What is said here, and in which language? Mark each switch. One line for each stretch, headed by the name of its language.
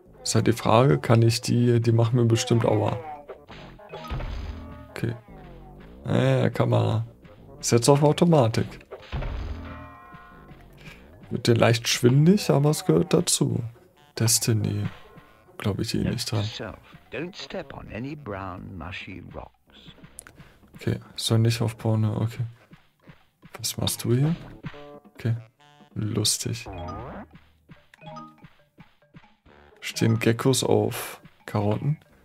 German: Ist halt die Frage, kann ich die. Die machen mir bestimmt Aua. Okay. Kamera. Ist jetzt auf Automatik. Wird dir leicht schwindelig, aber es gehört dazu. Destiny. Glaube ich eh nicht dran.
English: Don't step on any brown, mushy rocks.
German: Okay, soll nicht auf Porno, okay. Was machst du hier? Okay, lustig. Stehen Geckos auf Karotten?